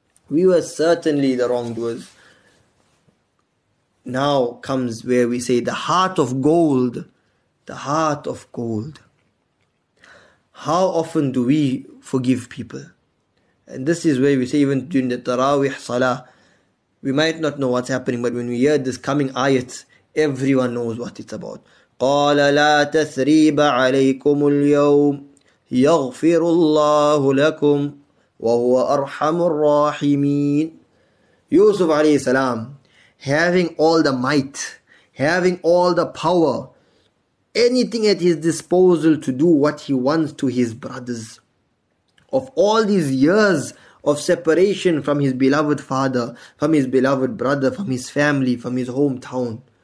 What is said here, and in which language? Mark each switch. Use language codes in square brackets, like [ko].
[en] We were certainly the wrongdoers. Now comes where we say, the heart of gold, the heart of gold. How often do we forgive people? And this is where we say, even during the Taraweeh Salah, we might not know what's happening, but when we hear this coming ayat, everyone knows what it's about. [ar] قَالَ لَا تَثْرِيبَ عَلَيْكُمُ الْيَوْمِ يَغْفِرُ اللَّهُ لَكُمْ وَهُوَ أَرْحَمُ الرَّاحِمِينَ Yusuf a.s. [en] having all the might, having all the power, anything at his disposal to do what he wants to his brothers. Of all these years of separation from his beloved father, from his beloved brother, from his family, from his hometown.